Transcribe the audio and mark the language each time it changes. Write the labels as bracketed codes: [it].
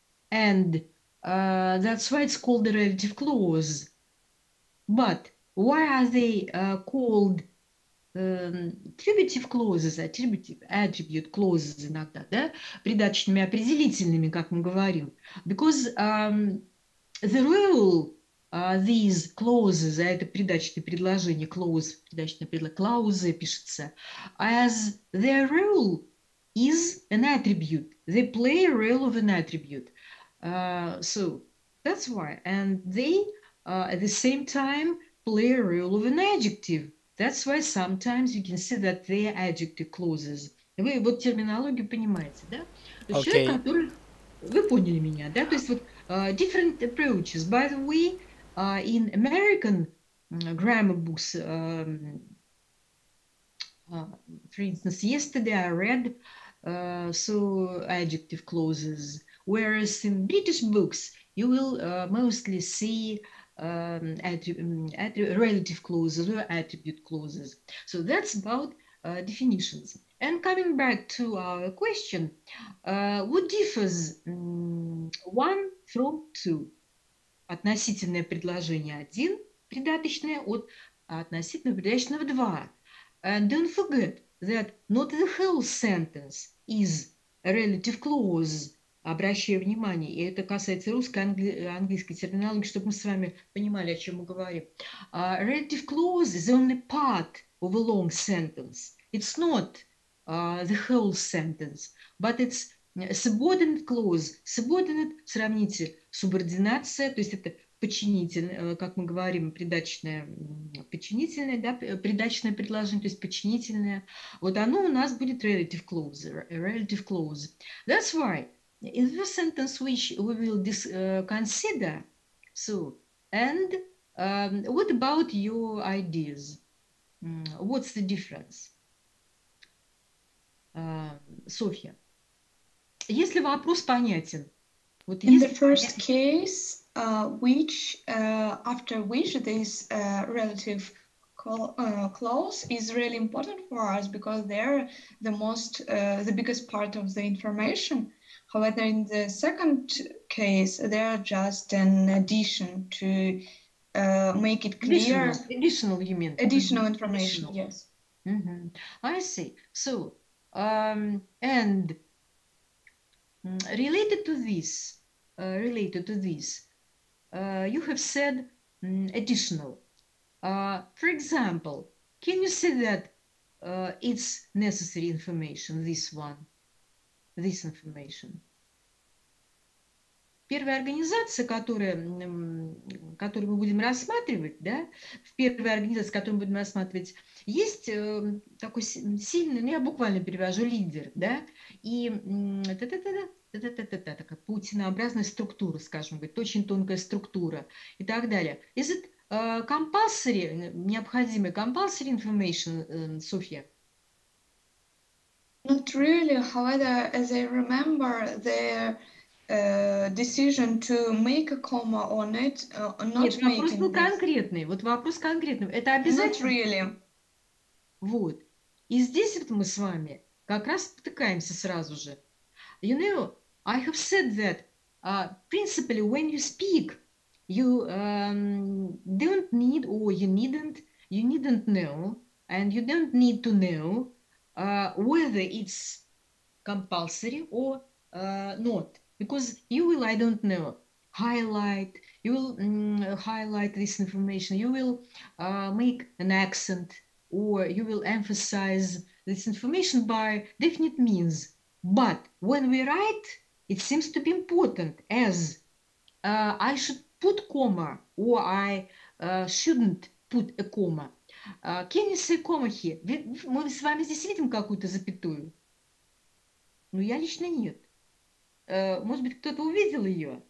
[en] And that's why it's called the relative clause. But why are they called attributive clauses, attribute clauses [ru] иногда, да? Придаточными, определительными, как мы говорим. [en] Because the rule these clauses, [ru] это придаточные предложения, [en] clause, [ru] придаточные предложения, clause пишется, [en] as their rule is an attribute. They play a role of an attribute. So that's why, and they at the same time play a role of an adjective. That's why sometimes you can see that they are adjective clauses. [ru] Вы вот терминологию понимаете, да? [en] Okay. [ru] Человек, который... Вы поняли меня, да? То есть вот [en] different approaches. By the way, in American grammar books, for instance, yesterday I read adjective clauses. Whereas in British books, you will mostly see relative clauses or attribute clauses. So that's about definitions. And coming back to our question, what differs one from two? [ru] Относительное предложение один, придаточное, от относительного придаточного два. [en] And don't forget that not the whole sentence is a relative clause. [ru] Обращаю внимание, и это касается русской, английской терминологии, чтобы мы с вами понимали, о чем мы говорим. [en] Relative clause is only part of a long sentence. It's not the whole sentence, but it's subordinate clause. [ru] Subordinate, сравните, субординация, то есть это подчинительное, как мы говорим, придаточное, подчинительное, да, придаточное предложение, то есть подчинительное. Вот оно у нас будет [en] relative clause. Relative clause. That's why. In the sentence which we will consider, so, and what about your ideas? What's the difference? [ru] Софья, если вопрос понятен? Вот [en] in the first case, which, after which this relative clause is really important for us because they're the most, the biggest part of the information. However, in the second case, they are just an addition to make it clear. Additional, you mean? Additional information, yes. Mm-hmm. I see. So, and related to this, you have said additional. For example, can you say that it's necessary information, this one? This information. [ru] Первая организация, которую мы будем рассматривать, да, в первой организации, которую мы будем рассматривать, есть такой сильный, ну, я буквально перевожу, лидер, да, и такая паутинообразная структура, скажем, говорит, очень тонкая структура и так далее. [en] Is it compulsory, [ru] необходимый [en] compulsory information, Софья? Not really. However, as I remember, their decision to make a comma on it, not [ru] Нет, вопрос [en] making [ru] был [en] this. [ru] Конкретный. Вот вопрос конкретный. Это обязательно? [en] Not really. [ru] Вот. И здесь вот мы с вами как раз спотыкаемся сразу же. [en] You know, I have said that principally when you speak, don't need, or you needn't know, and you don't need to know whether it's compulsory or not, because you will, I don't know, highlight, you will highlight this information, you will make an accent, or you will emphasize this information by definite means. But when we write, it seems to be important, as I should put comma, or I shouldn't put a comma. Can you say comma here? [ru] Мы с вами здесь видим какую-то запятую? Ну, я лично нет. Может быть, кто-то увидел ее?